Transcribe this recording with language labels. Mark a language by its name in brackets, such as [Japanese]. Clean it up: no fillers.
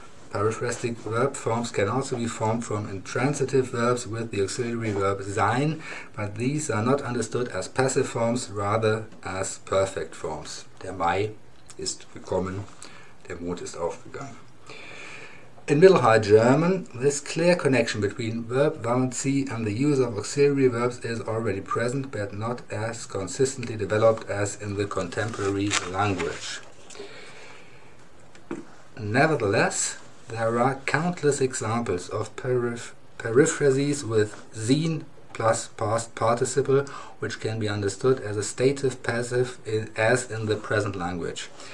[English] Periphrastic verb forms can also be formed from intransitive verbs with the auxiliary verb sein, but these are not understood as passive forms, rather as perfect forms. [German] Der Mai ist gekommen, der Mond ist aufgegangen. [English] In Middle High German, this clear connection between verb valency and the use of auxiliary verbs is already present, but not as consistently developed as in the contemporary language. Nevertheless, there are countless examples of periphrases with sein plus past participle, which can be understood as a stative passive as in the present language.